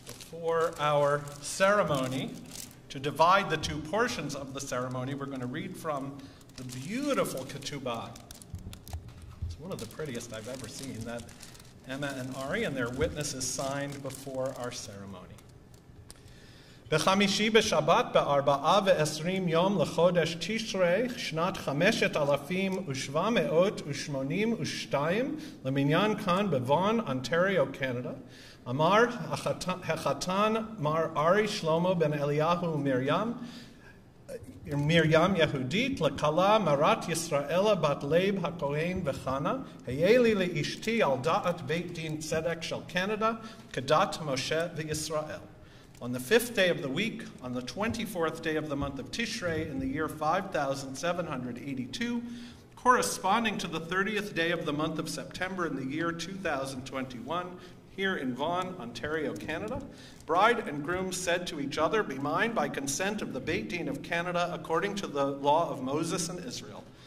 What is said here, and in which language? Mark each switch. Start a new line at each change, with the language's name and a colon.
English: For our ceremony, to divide the two portions of the ceremony, we're going to read from the beautiful ketubah. It's one of the prettiest I've ever seen, that Emma and Ari and their witnesses signed before our ceremony.
Hebrew: בחמישי בשבת בארבעה ועשרים יום לחודש תשרי שנת 5782 למניין כאן בוון, אונטריו, קנדה, אמר החתן מר ארי שלמה בן אליהו ומרים, מרים יהודית, לכלה מרת ישראלה בת לייב הכהן וחנה, היה לי לאשתי על דעת בית דין צדק של קנדה כדת משה וישראל.
English: On the fifth day of the week, on the 24th day of the month of Tishrei, in the year 5782, corresponding to the 30th day of the month of September in the year 2021, here in Vaughan, Ontario, Canada, bride and groom said to each other, "Be mine by consent of the Beit Din of Canada according to the law of Moses and Israel.